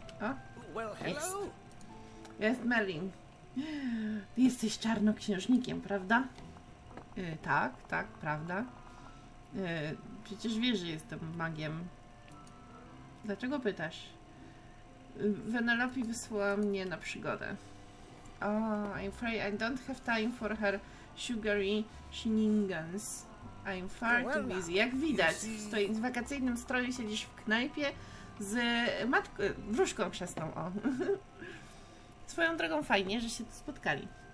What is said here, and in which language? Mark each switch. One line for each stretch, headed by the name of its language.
Polish: O, jest. Jest Merlin. Jesteś czarnoksiężnikiem, prawda? Tak, prawda. Przecież wiesz, że jestem magiem. Dlaczego pytasz? Venelope wysłała mnie na przygodę.
English: Oh, I'm afraid I don't have time for her sugary shenanigans. I'm far too busy.
Polish: Jak widać, w wakacyjnym stroju siedzisz w knajpie z matką, wróżką chrzestną, o. Swoją drogą fajnie, że się tu spotkali.